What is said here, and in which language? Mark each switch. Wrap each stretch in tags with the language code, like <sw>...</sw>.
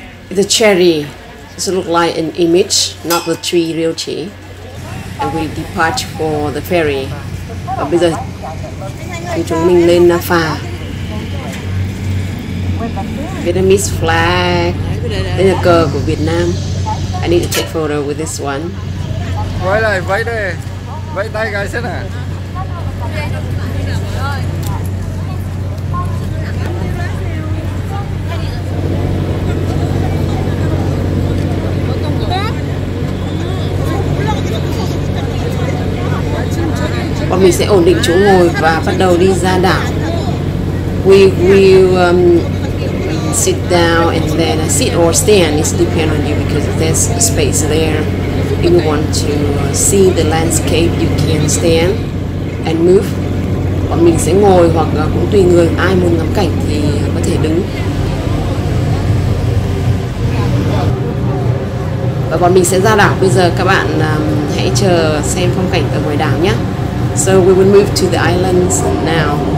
<en>The cherry does look like an image, not the tree real tree. And we depart for the ferry.</en> <vi>Và bây giờ thì chúng mình lên phà. Vietnamese flag. Đây là cờ của Việt Nam.</vi> <en>I need to take photo with this one.</en> <vi>Vẫy lại, vẫy đi. Vẫy tay cái xem nào. Bọn mình sẽ ổn định chỗ ngồi và bắt đầu đi ra đảo.</vi> <en>We will sit down and then sit or stand. It's depend on you because there's space there. If you want to see the landscape, you can stand and move.</en> <vi>Bọn mình sẽ ngồi hoặc cũng tùy người, ai muốn ngắm cảnh thì có thể đứng. Và bọn mình sẽ ra đảo bây giờ. Các bạn hãy chờ xem phong cảnh ở ngoài đảo nhé.</vi> <en>So we will move to the islands now.</en>